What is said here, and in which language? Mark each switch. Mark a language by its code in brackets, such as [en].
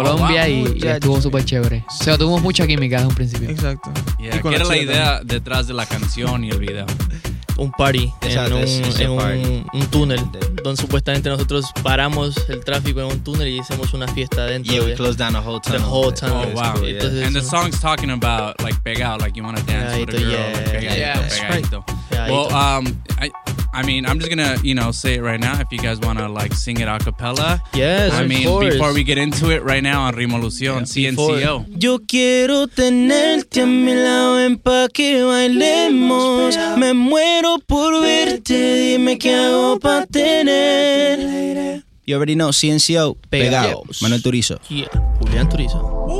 [es] En Colombia y estuvo súper chévere. O sea, tuvimos mucha química desde un principio. Exacto. Yeah, ¿qué era la idea también detrás de la canción y el video? Un party en un túnel donde supuestamente nosotros paramos el tráfico en un túnel y hicimos una fiesta dentro. [en] Yeah, we closed down a whole tunnel. The whole tunnel. Oh, wow. [es] Entonces, [en] yeah. And the song's talking about, like, pegado, like, you want to dance pegadito, with a girl. Yeah, [es] pegadito. [en] Well, I mean, I'm just going to, you know, say it right now if you guys want to, like, sing it a cappella. Yes, I mean, course. Before we get into it right now on Rimolución, yeah, CNCO. Before. [es] Yo quiero tenerte a mi lado en pa' que bailemos. Me muero por verte, dime qué hago pa' tener. [en] You already know, CNCO, pegado. Manuel Turizo. Yeah, Julián Turizo.